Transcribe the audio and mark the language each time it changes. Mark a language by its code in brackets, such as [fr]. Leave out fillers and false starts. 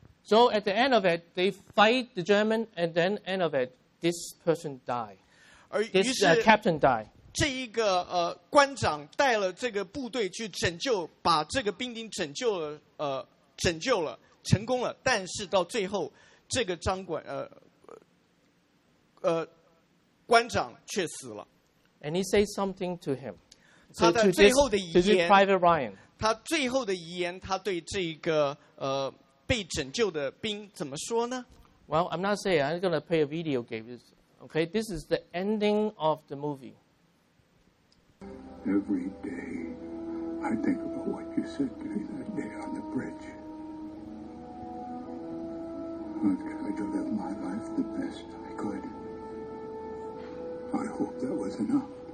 [en] So at the end of it, they fight the German, and then end of it, this person died. This captain died. [zh] 这一个官长带了这个部队去拯救，把这个兵丁拯救了，拯救了，成功了。但是到最后，这个长官官长却死了。 [en] And he says something to him. [zh] 他在最后的遗言 [en] to Private Ryan. [zh] 他最后的遗言，他对这个被拯救的兵怎么说呢？ [en] Well, I'm not saying I'm going to play a video game. Okay, this is the ending of the movie. Every day, I think about what you said to me that day on the bridge. I tried to live my life the best I could. I hope that was enough.